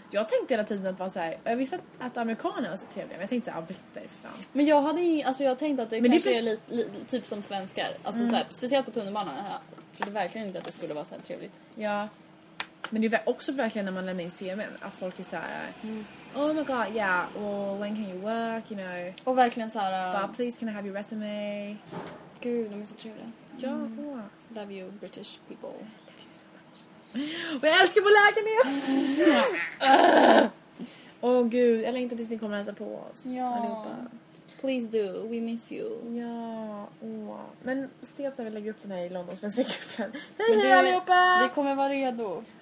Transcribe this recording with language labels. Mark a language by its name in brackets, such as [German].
[Swedish] Jag tänkte hela tiden att vara så här, jag visste att amerikaner var så trevliga, men jag tänkte så här, britter för fan. Men jag hade alltså jag tänkte att det men kanske det är typ som svenskar. Alltså så här, speciellt på tunnelbanan här. För det är verkligen inte att det skulle vara så här trevligt. Ja. Men det är också verkligen när man lämnar in CV:n att folk är så här, mm. [English] Oh my god, yeah, well, when can you work, you know. [Swedish] Och verkligen så här, [English] but please can I have your resume. [Swedish] Gud, de är så trevliga. Ja, [English] love you, British people. [Swedish] Och jag älskar vår lägenhet. Åh gud, jag längtar tills ni kommer hälsa på oss. Ja, allihopa. [English] Please do, we miss you. [Swedish] Ja, men stelt när vi lägger upp den här i London svenska gruppen. Hej allihopa. Vi kommer vara redo.